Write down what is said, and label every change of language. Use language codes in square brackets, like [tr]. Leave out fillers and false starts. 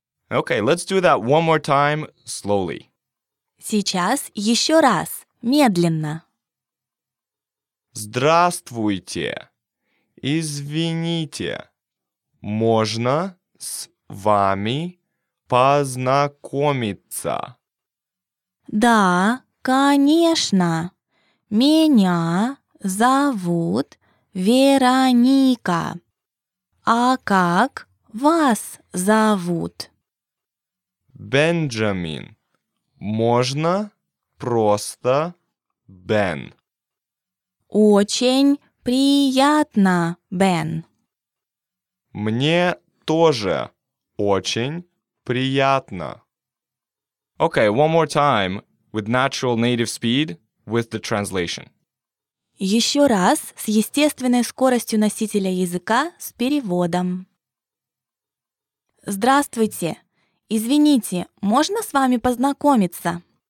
[en] Okay, let's do that one more time, slowly. [ru] Сейчас еще раз, медленно. Здравствуйте. Извините, можно с вами познакомиться? Да, конечно. Меня зовут Вероника. А как вас зовут? Бенджамин. Можно просто Бен. Очень приятно, Бен. Мне тоже очень приятно. [en] Okay, one more time with natural native speed with the translation. [ru] Еще раз с естественной скоростью носителя языка с переводом. Здравствуйте. Извините, можно с вами познакомиться?